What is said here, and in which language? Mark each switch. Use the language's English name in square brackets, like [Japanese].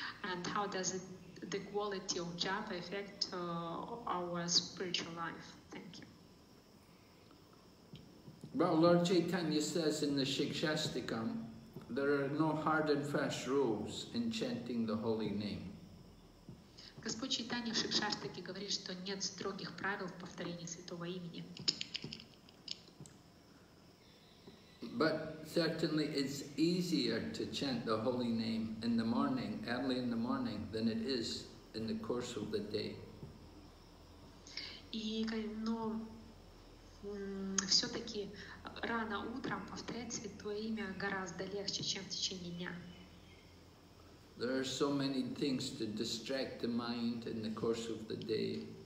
[English] And how does it, the quality of japa affect our spiritual life? Thank you. Well, Lord Chaitanya says in the Shikshastikam, there are no hard and fast rules in chanting the holy name. [Russian] Господь Чайтанья в Шикшастике говорит, что нет строгих правил в повторении святого имени. [English] But certainly it's easier to chant the holy name in the morning, early in the morning, than it is in the course of the day. [Russian] Но все-таки рано утром повторять Святое Имя гораздо легче, чем в течение дня. [English] There are so many things to distract the mind in the course of the day.